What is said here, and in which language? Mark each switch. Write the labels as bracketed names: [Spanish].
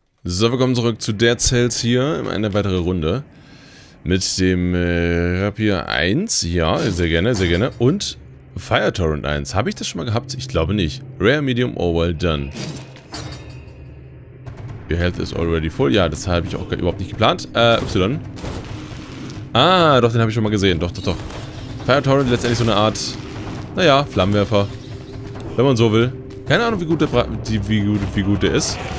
[German] So, willkommen zurück zu der Zelt hier. Eine weitere Runde. Mit dem Rapier 1. Ja, sehr gerne, sehr gerne. Und Fire Torrent 1. Habe ich das schon mal gehabt? Ich glaube nicht. [English] Rare, Medium, or well done. Your health is already full. [German] Ja, das habe ich auch überhaupt nicht geplant. Y. Ah, doch, den habe ich schon mal gesehen. Doch, doch, doch. Fire Torrent, letztendlich so eine Art, naja, Flammenwerfer. Wenn man so will. Keine Ahnung, wie gut der ist.